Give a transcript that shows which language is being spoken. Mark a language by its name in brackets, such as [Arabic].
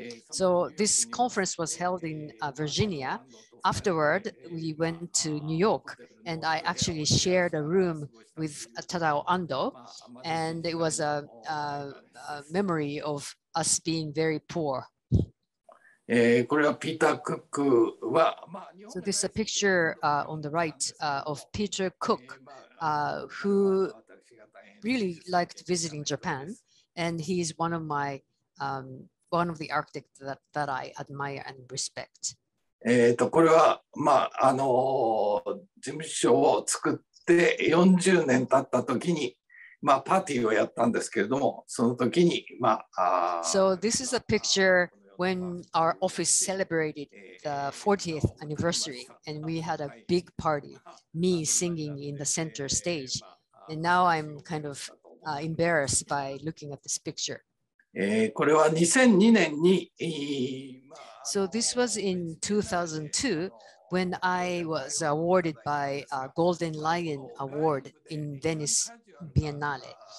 [English] So this conference was held in Virginia. Afterward, we went to New York, and I actually shared a room with Tadao Ando, and it was a memory of us being very poor. [Japanese] これはピーター・クックは。 [English] So this is a picture on the right of Peter Cook, who really liked visiting Japan, and he is one of my one of the architects that I admire and respect. [Japanese] これは、まあ、あの、事務所を作って40年経った時に、まあ、パーティーをやったんですけれども、その時に、まあ、 [English] So this is a picture when our office celebrated the 40th anniversary, and we had a big party, me singing in the center stage. And now I'm kind of embarrassed by looking at this picture. So this was in 2002 when I was awarded by a Golden Lion Award in Venice Biennale.